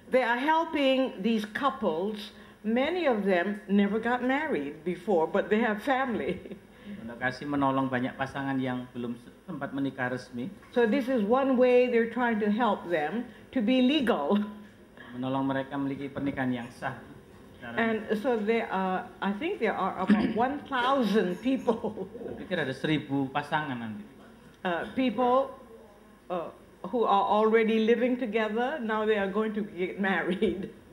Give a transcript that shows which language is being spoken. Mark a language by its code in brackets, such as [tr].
[en] They are helping these couples. Many of them never got married before, but they have family. [id] Pondok Kasih menolong banyak pasangan yang belum sempat menikah resmi. [en] So this is one way they're trying to help them to be legal. [id] Menolong mereka memiliki pernikahan yang sah. [en] And so there are, I think there are about 1,000 people. [id] Kira-kira ada 1,000 pasangan nanti. [en] People who are already living together, now they are going to get married.